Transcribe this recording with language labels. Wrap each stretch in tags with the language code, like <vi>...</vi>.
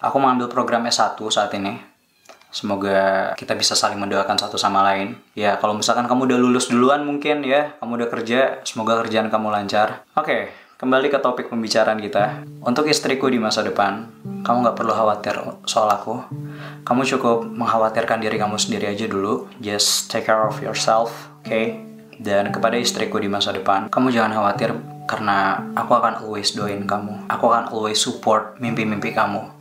<id>Aku mengambil program S1 saat ini. Semoga kita bisa saling mendoakan satu sama lain. Ya, kalau misalkan kamu udah lulus duluan mungkin ya, kamu udah kerja, semoga kerjaan kamu lancar. Oke, kembali ke topik pembicaraan kita. Untuk istriku di masa depan, kamu gak perlu khawatir soal aku. Kamu cukup mengkhawatirkan diri kamu sendiri aja dulu.</id> <en>Just take care of yourself, okay?</en> <id>Dan kepada istriku di masa depan, kamu jangan khawatir karena aku akan always doain kamu. Aku akan always support mimpi-mimpi kamu.</id>